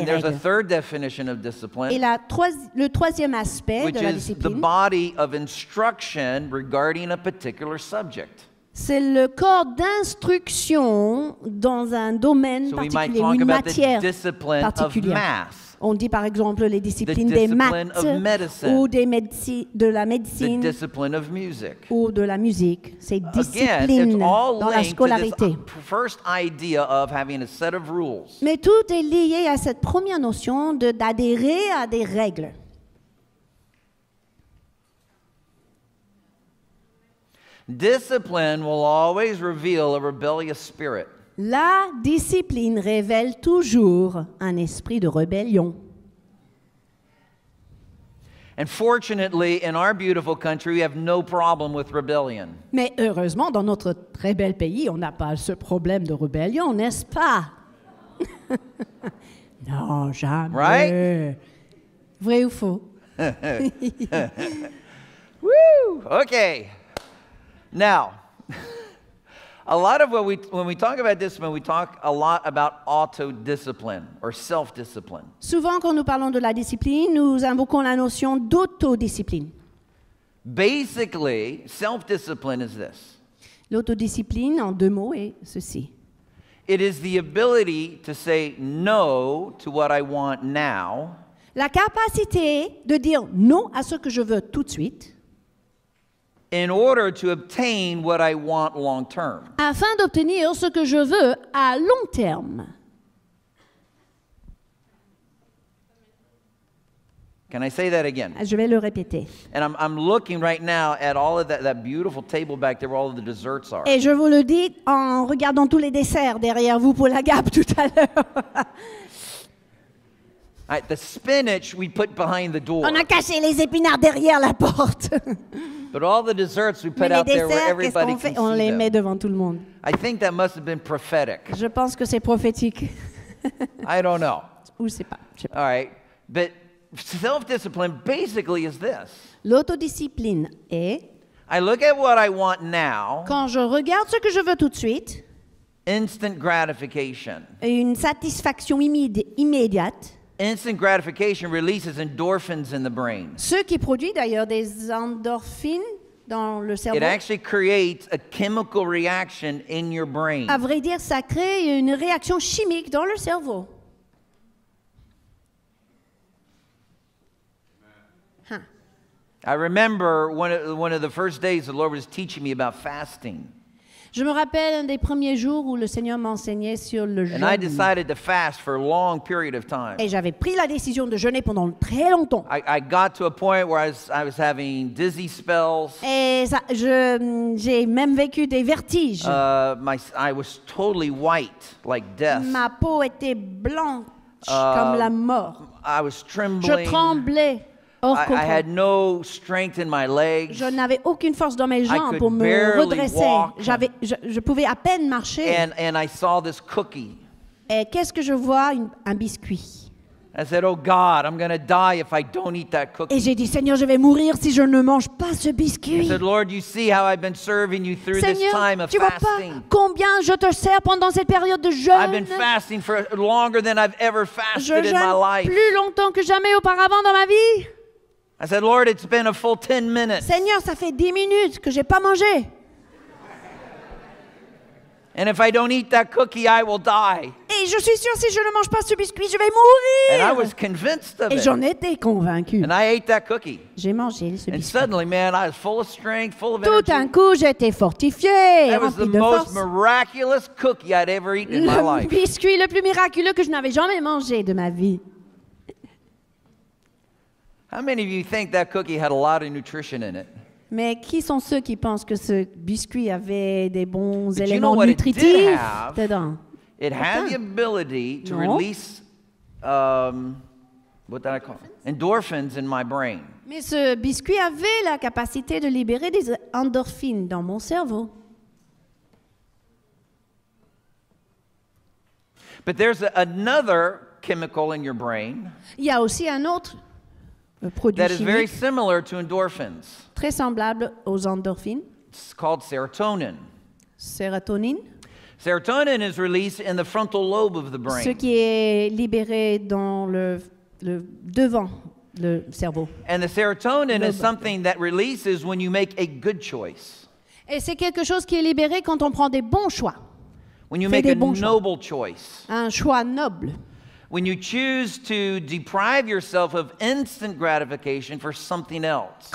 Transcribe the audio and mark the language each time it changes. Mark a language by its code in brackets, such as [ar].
[en] And [fr] règles. [en] A third definition of discipline, [fr] et la le troisième aspect [en] which [fr] de la [en] is [fr] discipline, [en] the body of instruction regarding a particular subject. [fr] C'est le corps d'instruction dans un domaine [en] so [fr] particulier, une matière particulière. On dit par exemple les disciplines [en] the discipline [fr] des maths [en] medicine, [fr] ou des de la médecine [en] the discipline of music. [fr] Ou de la musique. C'est discipline dans la scolarité. [en] First idea of having a set of rules. [fr] Mais tout est lié à cette première notion d'adhérer à des règles. [en] Discipline will always reveal a rebellious spirit. [fr] La discipline révèle toujours un esprit de rébellion. [en] And fortunately, in our beautiful country, we have no problem with rebellion. [fr] Mais heureusement, dans notre très bel pays, on n'a pas ce problème de rébellion, n'est-ce pas? Non, jamais. [en] Right? [fr] Vrai ou faux? [en] Woo! Okay. Now, a lot of what we when we talk about discipline, we talk a lot about auto-discipline or self-discipline. [fr] Souvent, quand nous parlons de la discipline, nous invoquons la notion d'auto-discipline. [en] Basically, self-discipline is this. [fr] L'auto-discipline, en deux mots, est ceci. [en] It is the ability to say no to what I want now. [fr] La capacité de dire non à ce que je veux tout de suite. [en] In order to obtain what I want long term. [fr] Afin d'obtenir ce que je veux à long terme. [en] Can I say that again? [fr] Je vais le répéter. [en] And I'm looking right now at all of that beautiful table back there where all of the desserts are. [fr] Et je vous le dis en regardant tous les desserts derrière vous pour la gape tout à l'heure. [en] Right, the spinach we put behind the door. [fr] On a caché les épinards derrière la porte. [en] But all the desserts we put out [fr] desserts, [en] there where everybody [fr] qu'on fait? [en] Can [fr] On [en] see [fr] les met [en] them. [fr] Devant tout le monde. [en] I think that must have been prophetic. [fr] Je pense que c'est prophétique. [en] I don't know. [fr] Ou c'est pas, je sais pas. [en] All right. But self-discipline basically is this. [fr] L'autodiscipline est [en] I look at what I want now. [fr] Quand je regarde ce que je veux tout de suite. [en] Instant gratification. [fr] Une satisfaction immédiate. [en] Instant gratification releases endorphins in the brain. [fr] Ce qui produit d'ailleurs des endorphines dans le cerveau. [en] It actually creates a chemical reaction in your brain. [fr] À vrai dire, ça crée une réaction chimique dans le cerveau. Huh. [en] I remember one of the first days the Lord was teaching me about fasting. [fr] Je me rappelle un des premiers jours où le Seigneur m'enseignait sur le jeûne. [en] And I decided to fast for a long period of time. [fr] Et j'avais pris la décision de jeûner pendant très longtemps. [en] I got to a point where I was having dizzy spells. [fr] Et ça, j'ai même vécu des vertiges. [en] I was totally white, like death. [fr] Ma peau était blanche comme la mort. [en] I was trembling. [fr] Je tremblais. [en] I had no strength in my legs. [fr] Je n'avais aucune force dans mes jambes pour me redresser. Je pouvais à peine marcher. [en] And I saw this cookie. [fr] Et qu'est-ce que je vois? Un biscuit. [en] I said, oh God, I'm going to die if I don't eat that cookie. [fr] Et j'ai dit, Seigneur, je vais mourir si je ne mange pas ce biscuit. [en] I said, Lord, you see how I've been serving you through [fr] Seigneur, [en] this time of fasting. [fr] Seigneur, tu vois pas combien je te sers pendant cette période de jeûne? [en] I've been fasting for longer than I've ever fasted [fr] je [en] in my life. [fr] Plus longtemps que jamais auparavant dans ma vie. [en] I said, Lord, it's been a full 10 minutes. [fr] Seigneur, ça fait 10 minutes que j'ai pas mangé. [en] And if I don't eat that cookie, I will die. [fr] Et je suis sûr si je ne mange pas ce biscuit, je vais mourir. [en] And I was convinced of [fr] Et [en] it. [fr] Et j'en étais convaincu. [en] And I ate that cookie. [fr] J'ai mangé ce biscuit. [en] And suddenly, man, I was full of strength, full of [fr] Tout [en] energy. [fr] Tout un coup, j'étais fortifié, rempli de force. [en] That was the most miraculous cookie I'd ever eaten [fr] le [en] in my life. [fr] Le biscuit le plus miraculeux que je n'avais jamais mangé de ma vie. [en] How many of you think that cookie had a lot of nutrition in it? [fr] Mais qui sont ceux qui pensent que ce biscuit avait des bons éléments nutritifs dedans? [en] It had the ability to release endorphins in my brain. [fr] Mais ce biscuit avait la capacité de libérer des endorphines dans mon cerveau. [en] But there's another chemical in your brain. [fr] Il y a aussi un autre produit [en] that is very similar to endorphins. [fr] Très semblable aux endorphines. [en] It's called serotonin. [fr] Serotonin. [en] Serotonin is released in the frontal lobe of the brain. [fr] Ce qui est libéré dans le devant le cerveau. [en] And the serotonin is something that releases when you make a good choice. [fr] Et c'est quelque chose qui est libéré quand on prend des bons choix. [en] When you make a noble choice. [fr] Un choix noble. [en] When you choose to deprive yourself of instant gratification for something else.